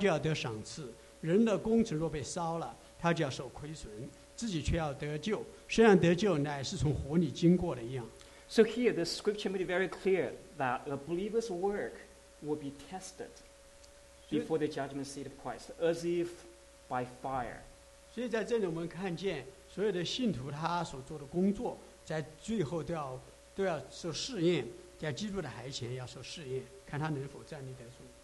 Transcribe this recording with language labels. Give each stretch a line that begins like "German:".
Chinese: 哥林多前书三章十一到十五节，因为那已经立好了根基就是耶稣基督，此外没有人能立别的根基。若有人用金银宝石、草木和鞋在这根基上建造个人的工程，必然显露，因为那日子要将它表明出来，有火发现，这火要试验个人的工程怎样。人在那根基上所建造的工程若存得住，其他就要得赏赐。人的工程若被烧了， 他就要受亏损，自己却要得救。虽然得救乃是从火里经过的一样。
English: So here the scripture made it very clear that a believer's work will be tested before the judgment seat of Christ, as if by fire.
Chinese: 所以在这里我们看见，所有的信徒他所做的工作，在最后都要受试验，在基督的台前要受试验，看他能否站立得住。